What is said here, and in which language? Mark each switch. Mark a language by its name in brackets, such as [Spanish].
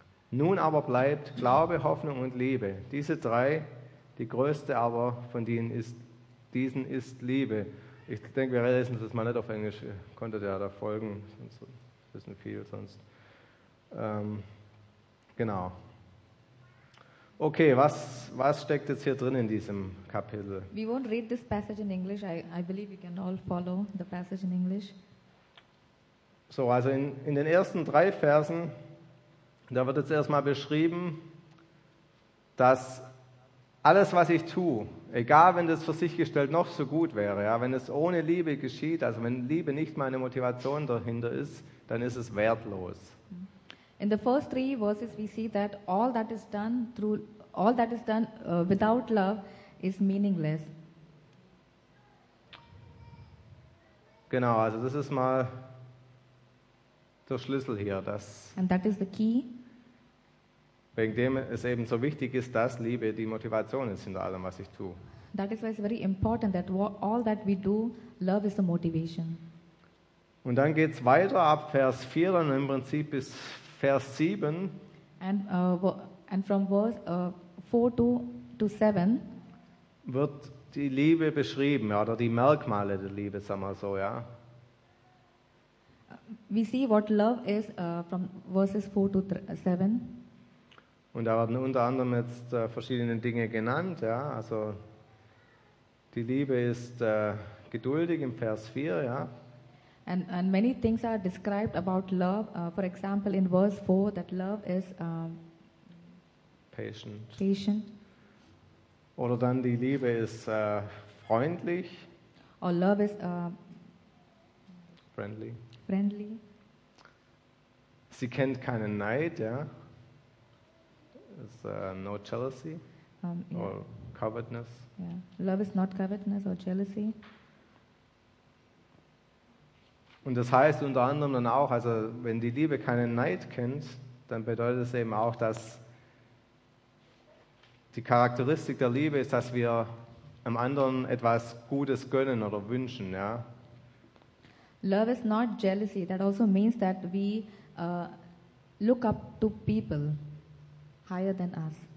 [German] Nun aber bleibt Glaube, Hoffnung und Liebe. Diese drei, die größte aber von diesen ist Liebe. Ich denke, wir lesen das mal nicht auf Englisch. Konntet ihr ja da folgen, sonst ein bisschen viel sonst. Genau. Okay, was steckt jetzt hier drin in diesem Kapitel? [English] We won't read this passage in English. I believe you can all follow the passage in English. [German] So, also in den ersten drei Versen, da wird jetzt erstmal beschrieben, dass alles, was ich tue, egal wenn das für sich gestellt noch so gut wäre, ja, wenn es ohne Liebe geschieht, also wenn Liebe nicht meine Motivation dahinter ist, dann ist es wertlos. [English] In the first three verses we see that all that is done through all that is done without love is meaningless. [German] Genau, also das ist mal der Schlüssel hier, dass [English] and that is the key. [German] Wegen dem es eben so wichtig ist, dass Liebe die Motivation ist hinter allem, was ich tue. [English] That is why it's very important that all that we do, love is the motivation. [German] Und dann geht's weiter ab Vers 4 und im Prinzip bis Vers 7. [English] And from verse 4 to 7 [German] wird die Liebe beschrieben, oder die Merkmale der Liebe, sagen wir so, ja. [English] We see what love is from verses 4 to 7. [German] Und da werden unter anderem jetzt verschiedene Dinge genannt, ja, also die Liebe ist geduldig im Vers 4, ja. [English] And many things are described about love, for example in verse 4 that love is patient. [German] Oder dann die Liebe ist freundlich. [English] Or love is friendly. [German] Sie kennt keinen Neid, ja. [English] Is no jealousy or covetousness. Yeah. Love is not covetousness or jealousy. [German] Und das heißt unter anderem dann auch, also wenn die Liebe keinen Neid kennt, dann bedeutet es eben auch, dass die Charakteristik der Liebe ist, dass wir einem anderen etwas Gutes gönnen oder wünschen, ja. [English] Love is not jealousy. That also means that we look up to people higher than us.